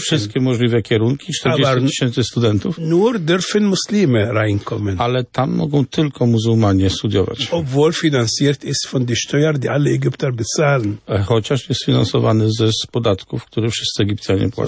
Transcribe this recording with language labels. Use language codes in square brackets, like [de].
[pl] Wszystkie możliwe kierunki, 40 tysięcy studentów. [de] Nur dürfen Muslime reinkommen. [pl] Ale tam mogą tylko muzułmanie studiować. [de] Obwohl finansiert ist von der Steuer, die alle Ägypter bezahlen. [pl] Chociaż jest finansowany ze podatków, które wszyscy Egipcjanie płacą.